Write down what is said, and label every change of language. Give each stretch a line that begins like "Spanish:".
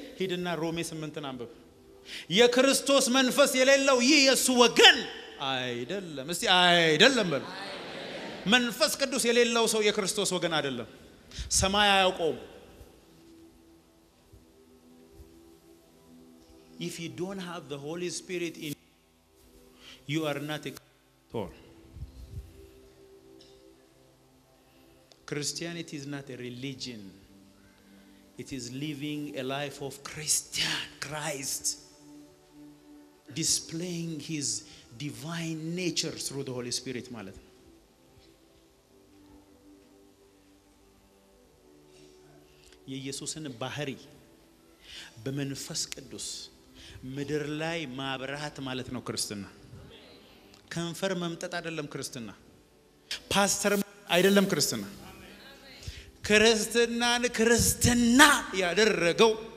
Amharic: ሂድና ሮሜ 8 አንብብ። የክርስቶስ መንፈስ የሌለው ይህ የሱ ወገን አይደለም። እስቲ አይደለም በል። መንፈስ ቅዱስ የሌለው ሰው የክርስቶስ ወገን አይደለም። ሰማያ ያውቀው።
English: If you don't have the Holy Spirit in you are not a Christian. Christianity is not a religion. It is living a life of Christ, displaying his divine nature through the Holy Spirit.
Amharic: ማለት የኢየሱስን ባህሪ በመንፈስ ቅዱስ ምድር ላይ ማብራት ማለት ነው ክርስትና። ከንፈር መምጠጥ አይደለም ክርስትና። ፓስተር አይደለም ክርስትና። ክርስትናን ክርስትና ያደረገው